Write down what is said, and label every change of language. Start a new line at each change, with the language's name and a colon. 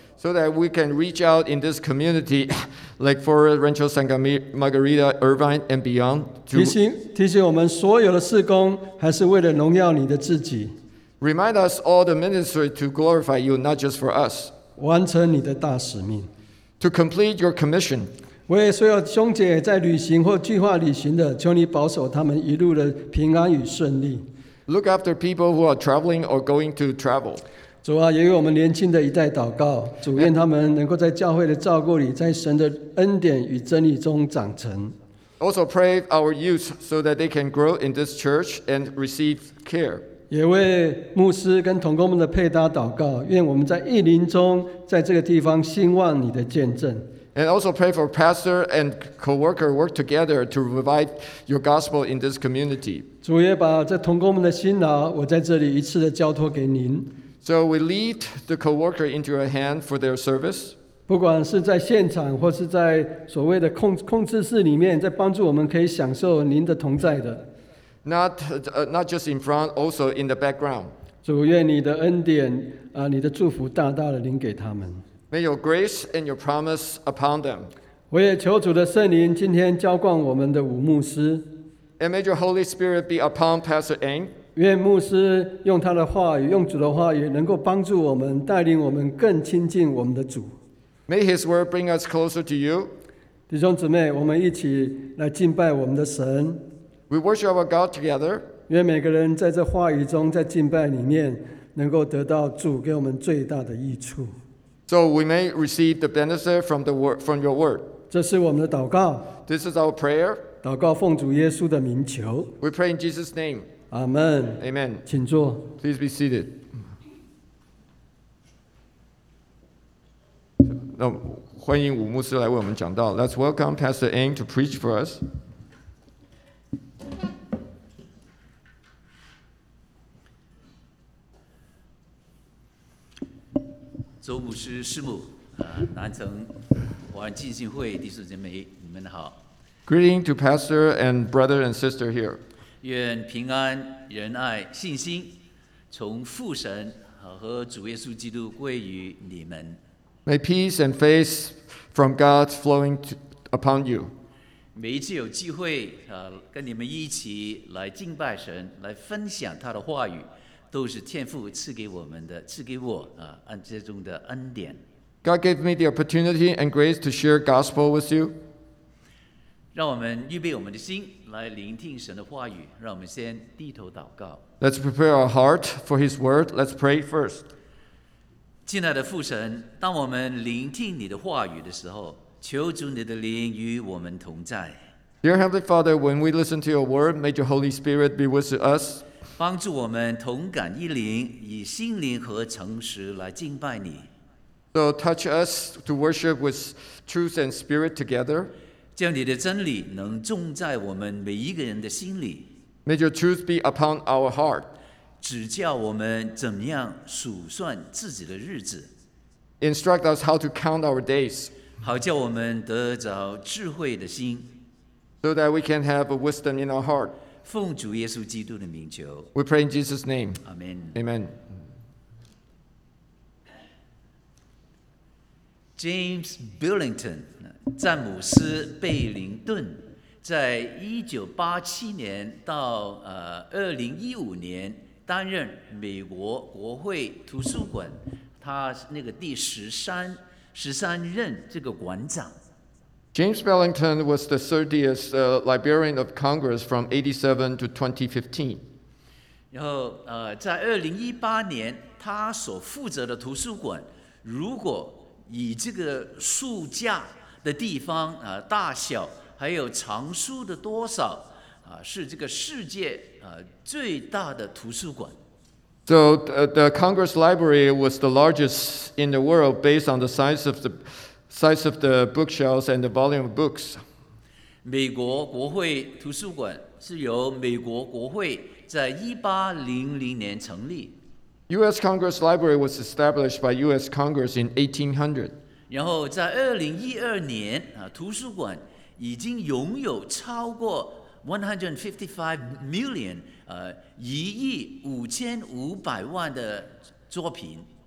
English: So that we can reach out in this community, like for Rancho Santa Margarita, Irvine, and beyond.
Chinese: 提醒我们所有的事工还是为了荣耀你的自己。
English: Remind us all the ministry to glorify you, not just for us.
Chinese: 完成你的大使命。
English: To complete your commission.
Chinese: 为所有兄姐在旅行或计划旅行的，求你保守他们一路的平安与顺利。
English: Look after people who are traveling or going to travel.
Chinese: 主啊，也为我们年轻的一代祷告，主愿他们能够在教会的照顾里，在神的恩典与真理中长成。
English: Also pray our youth so that they can grow in this church and receive care.
Chinese: 也为牧师跟同工们的配搭祷告，愿我们在异林中，在这个地方兴旺你的见证。
English: And also pray for pastor and co-worker work together to revive your gospel in this community.
Chinese: 主也把这同工们的辛劳，我在这里一次的交托给您。
English: So we lead the co-worker into your hand for their service.
Chinese: 不管是在现场或是在所谓的控制室里面，在帮助我们可以享受您的同在的。
English: not just in front, also in the background.
Chinese: 主，愿你的恩典，你的祝福大大的临给他们。
English: May your grace and your promise upon them.
Chinese: 我也求主的圣灵今天浇灌我们的五牧师。
English: And may your Holy Spirit be upon Pastor Ang.
Chinese: 愿牧师用他的话语，用主的话语，能够帮助我们，带领我们更亲近我们的主。
English: May his word bring us closer to you.
Chinese: 弟兄姊妹，我们一起来敬拜我们的神。
English: We worship our God together.
Chinese: 愿每个人在这话语中，在敬拜里面，能够得到主给我们最大的益处。
English: So we may receive the benefit from the word, from your word.
Chinese: 这是我们的祷告。
English: This is our prayer.
Chinese: 祷告奉主耶稣的名求。
English: We pray in Jesus' name. Amen. Amen.
Chinese: 请坐。
English: Please be seated.
Chinese: So, 欢迎伍牧师来为我们讲道。
English: Let's welcome Pastor Ang to preach for us.
Chinese: 周牧师、师母，南城华人浸信会弟兄姐妹，你们好。
English: Greeting to Pastor and brother and sister here.
Chinese: 愿平安、仁爱、信心从父神和主耶稣基督归于你们。
English: May peace and faith from God flowing upon you.
Chinese: 每一次有机会跟你们一起来敬拜神，来分享他的话语。都是天父赐给我们的，赐给我按这种的恩典。
English: God gave me the opportunity and grace to share gospel with you.
Chinese: 让我们预备我们的心来聆听神的话语。让我们先低头祷告。
English: Let's prepare our heart for His word. Let's pray first.
Chinese: 亲爱的父神，当我们聆听你的话语的时候，求主你的灵与我们同在。
English: Dear Heavenly Father, when we listen to Your word, may Your Holy Spirit be with us.
Chinese: 帮助我们同感一灵，以心灵和诚实来敬拜你。
English: So touch us to worship with truth and spirit together.
Chinese: 叫你的真理能种在我们每一个人的心里。
English: May your truth be upon our heart.
Chinese: 指教我们怎么样数算自己的日子。
English: Instruct us how to count our days.
Chinese: 好叫我们得着智慧的心。
English: So that we can have a wisdom in our heart.
Chinese: 奉主耶稣基督的名求。
English: We pray in Jesus' name. Amen. Amen.
Chinese: James Billington, 詹姆斯·贝灵顿，在1987年到2015年担任美国国会图书馆，他那个第十三任这个馆长。
English: James Billington was the 30th Librarian of Congress from 87 to 2015.
Chinese: 然后在2018年他所负责的图书馆如果以这个书架的地方大小还有藏书的多少是这个世界最大的图书馆。
English: So the Congress Library was the largest in the world based on the size of the bookshelves and the volume of books.
Chinese: 美国国会图书馆是由美国国会在1800年成立。
English: U.S. Congress Library was established by U.S. Congress in 1800.
Chinese: 然后在2012年，图书馆已经拥有超过155 million, 1,500,000的作品。